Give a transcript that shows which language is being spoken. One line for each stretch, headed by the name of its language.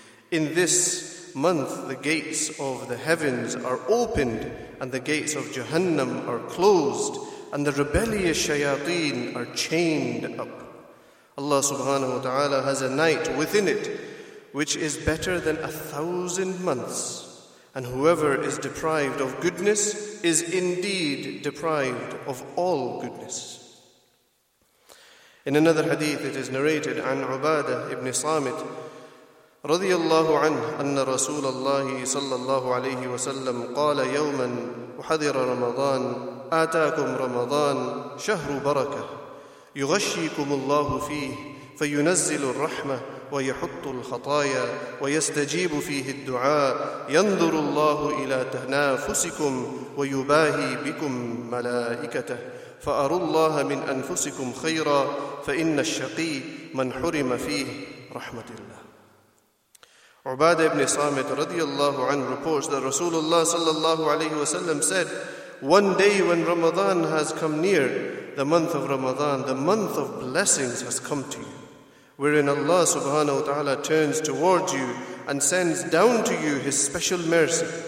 English: In this month, the gates of the heavens are opened, and the gates of Jahannam are closed, and the rebellious shayateen are chained up. Allah subhanahu wa ta'ala has a night within it which is better than 1,000 months. And whoever is deprived of goodness is indeed deprived of all goodness. In another hadith, it is narrated an Ubadah ibn Samit
Arabic: رضي الله عنه أن رسول الله صلى الله عليه وسلم قال يوما وحضر رمضان آتاكم رمضان شهر بركة يغشيكم الله فيه فينزل الرحمة ويحط الخطايا ويستجيب فيه الدعاء ينظر الله إلى تنافسكم ويباهي بكم ملائكته فأروا الله من أنفسكم خيرا فإن الشقي من حرم فيه رحمة الله.
English: Ubadah ibn Samit radiallahu anhu reports that Rasulullah sallallahu alayhi wa sallam said, one day when Ramadan has come near, the month of Ramadan, the month of blessings has come to you, wherein Allah subhanahu wa ta'ala turns towards you and sends down to you His special mercy.